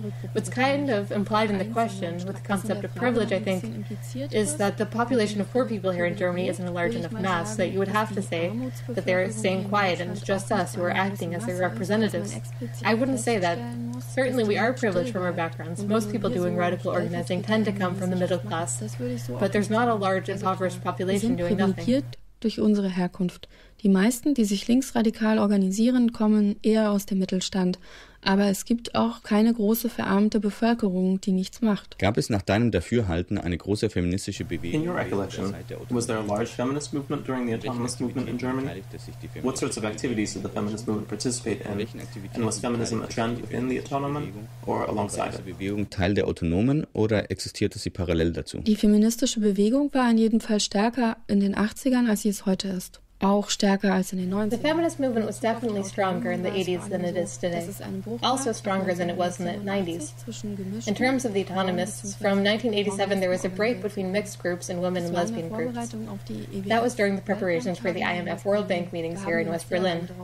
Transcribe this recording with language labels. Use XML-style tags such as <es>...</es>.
<en>What's kind of implied in the question, with the concept of privilege, I think, is that the population of poor people here in Germany isn't a large enough mass that you would have to say that they're staying quiet and it's just us who are acting as their representatives. I wouldn't say that. Certainly we are privileged from our backgrounds. Most people doing radical organizing tend to come from the middle class, but there's not a large impoverished population doing nothing.</en> <de>Wir sind privilegiert durch unsere Herkunft. Die meisten, die sich linksradikal organisieren, kommen eher aus dem Mittelstand. Aber es gibt auch keine große verarmte Bevölkerung, die nichts macht. Gab es nach deinem Dafürhalten eine große feministische Bewegung?</de> <en>In your recollection, was there a large feminist movement during the autonomous movement in Germany? What sorts of activities did the feminist movement participate in? And was feminism a trend within the autonomen or alongside it?</en> <de>War diese Bewegung Teil der autonomen oder existierte sie parallel dazu? Die feministische Bewegung war in jedem Fall stärker in den 80ern, als sie es heute ist. Auch stärker als in den 90ern.</de> <en>The feminist movement was definitely stronger in the 80s than it is today. Also stronger than it was in the 90s. In terms of the autonomists, from 1987 there was a break between mixed groups and women and lesbian groups. That was during the preparations for the IMF World Bank meetings here in West Berlin.</en>